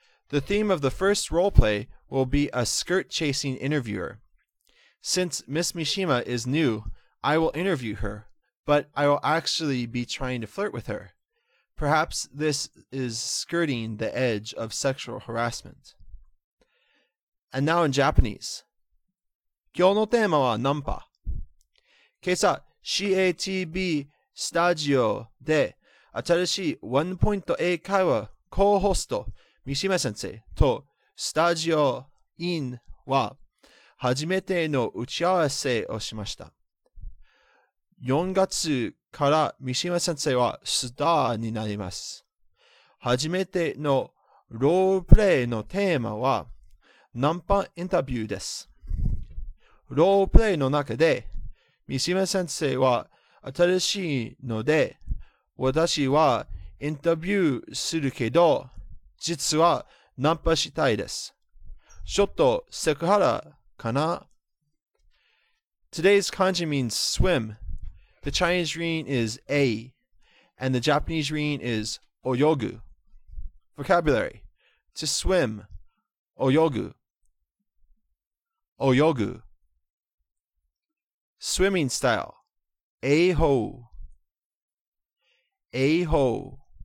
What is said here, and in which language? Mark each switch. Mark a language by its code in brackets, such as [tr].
[en] The theme of the first role play will be a skirt-chasing interviewer. Since Miss Mishima is new, I will interview her, but I will actually be trying to flirt with her. Perhaps this is skirting the edge of sexual harassment. And now in Japanese. [ja] 今日のテーマはナンパ。今朝 CATB スタジオで新しいワンポイント英会話コーホスト三島先生とスタジオインは初めての打ち合わせをしました。 4月から三島先生はスターになります。初めてのロールプレイのテーマはナンパインタビューです。ロールプレイの中で三島先生は新しいので私はインタビューするけど実はナンパしたいです。ちょっとセクハラかな? [en] Today's kanji means swim. The Chinese reading is a, and the Japanese reading is oyogu. Vocabulary: to swim, oyogu, oyogu. Swimming style: aho, aho.